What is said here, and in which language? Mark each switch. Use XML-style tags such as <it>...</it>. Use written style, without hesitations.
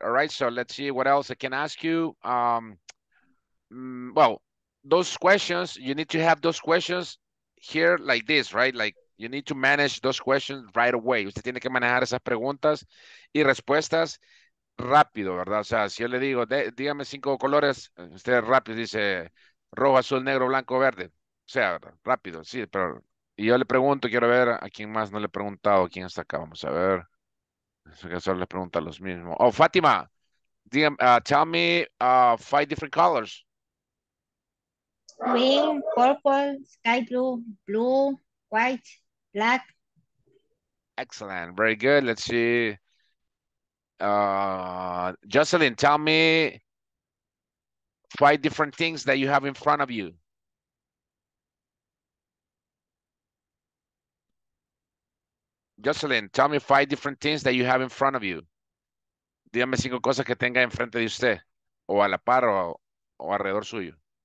<en>All right. So let's see what else I can ask you. Well, those questions, you need to have those questions here like this, right? Like, you need to manage those questions right away.</en> <es>Usted tiene que manejar esas preguntas y respuestas rápido, ¿verdad? O sea, si yo le digo, dígame cinco colores, usted rápido dice rojo, azul, negro, blanco, verde. O sea, rápido, sí, pero... Y yo le pregunto, quiero ver a quién más no le he preguntado, quién está acá, vamos a ver. Eso que solo le pregunta a los mismos.</es> <en>Oh, Fátima,</en> <es>dígame,</es> <en>tell me five different colors. Green, purple, sky blue, blue, white, black. Excellent. Very good. Let's see. Jocelyn, tell me five different things that you have in front of you. Jocelyn, tell me five different things that you have in front of you.</en> <es>Dígame cinco cosas que tenga enfrente de usted, o a la par, o alrededor suyo.</es>